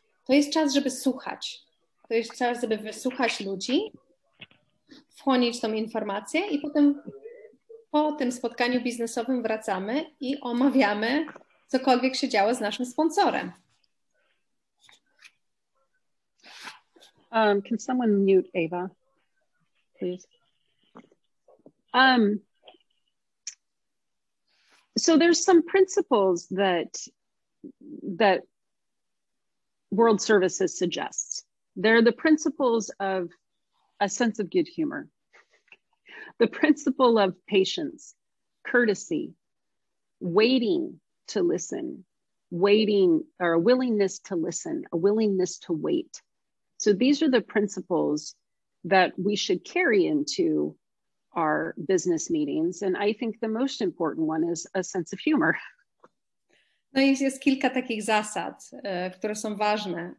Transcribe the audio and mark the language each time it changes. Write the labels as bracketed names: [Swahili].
[Polish] To jest czas, żeby słuchać. To jest czas, żeby wysłuchać ludzi, wchłonić tą informację i potem po tym spotkaniu biznesowym wracamy i omawiamy cokolwiek się działo z naszym sponsorem. [English] Can someone mute Ava, please? So there's some principles that World Services suggests. They're the principles of a sense of good humor, the principle of patience, courtesy, waiting to listen, waiting or a willingness to listen, a willingness to wait. So these are the principles that we should carry into our business meetings. And I think the most important one is a sense of humor. [Polish] No i jest kilka takich zasad, które są ważne.